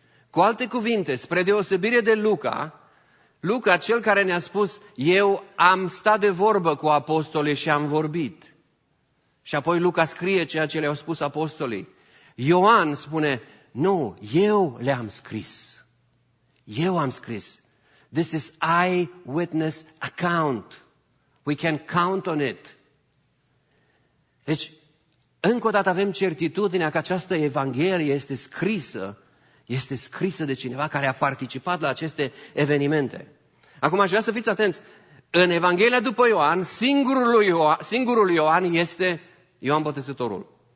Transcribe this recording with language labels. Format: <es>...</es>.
<ro>Cu alte cuvinte, spre deosebire de Luca, Luca, cel care ne-a spus, eu am stat de vorbă cu apostolii și am vorbit. Și apoi Luca scrie ceea ce le-au spus apostolii. Ioan spune, nu, eu le-am scris. Eu am scris.</ro> <en>This is eyewitness account. We can count on it.</en> <ro>Deci, încă o dată avem certitudinea că această evanghelie este scrisă, este scrisă de cineva care a participat la aceste evenimente. Acum aș vrea să fiți atenți. În Evanghelia după Ioan, singurul Ioan este Ioan Botezătorul.</ro>